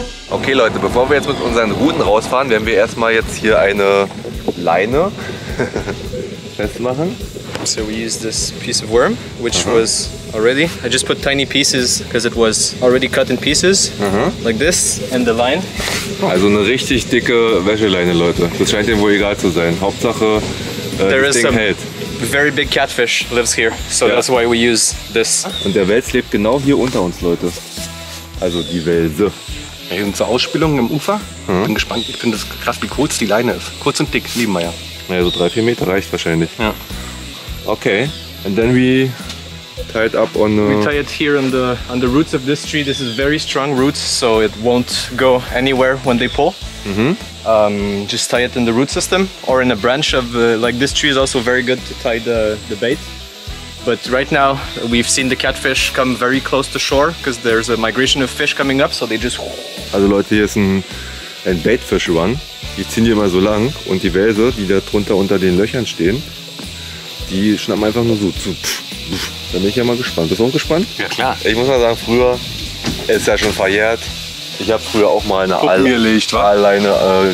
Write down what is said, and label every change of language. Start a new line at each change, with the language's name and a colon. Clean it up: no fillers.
German: Okay, Leute, bevor wir jetzt mit unseren Routen rausfahren, werden wir erstmal jetzt hier eine Leine festmachen.
English: So we use this piece of worm, which was already, I just put tiny pieces, because it was already cut in pieces, like this, and the line.
German: Also eine richtig dicke Wäscheleine, Leute. Das scheint dem wohl egal zu sein. Hauptsache, das Ding hält.
English: Very big catfish lives here, so that's why we use this.
German: Und der Wels lebt genau hier unter uns, Leute. Also die Welse. Hier sind so Ausspielungen im Ufer. Ich bin gespannt. Ich finde es krass, wie kurz die Leine ist. Kurz und dick, lieben wir ja. Naja, so 3-4 Meter reicht wahrscheinlich. Ja.
English: Okay, and then we tied up on... We tie it here on the roots of this tree. This is very strong roots, so it won't go anywhere when they pull. Just tie it in the root system or in a branch of... like this tree is also very good to tie the bait. But right now, we've seen the catfish come very close to shore because there's a migration of fish coming up, so they just...
German: Also Leute, hier ist ein Baitfish Run. Die ziehen hier mal so lang und die Welse, die da drunter unter den Löchern stehen, die schnappen einfach nur so zu. Da bin ich ja mal gespannt. Bist du auch gespannt? Ja, klar. Ich muss mal sagen, früher ist ja schon verjährt. Ich habe früher auch mal eine Aalleine